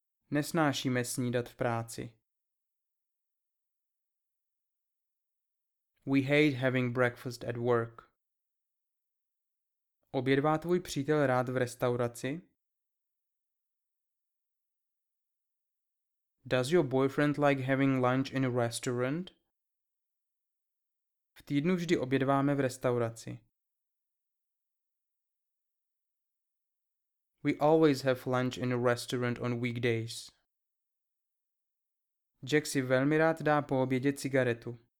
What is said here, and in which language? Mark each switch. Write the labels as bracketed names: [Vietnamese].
[Czech] Nesnášíme snídat v práci. [English] We hate having breakfast at work. [Czech] Obědvá tvůj přítel rád v restauraci? [English] Does your boyfriend like having lunch in a restaurant? [Czech] V týdnu vždy obědváme v restauraci. [English] We always have lunch in a restaurant on weekdays. [Czech] Jack si velmi rád dá po obědě cigaretu.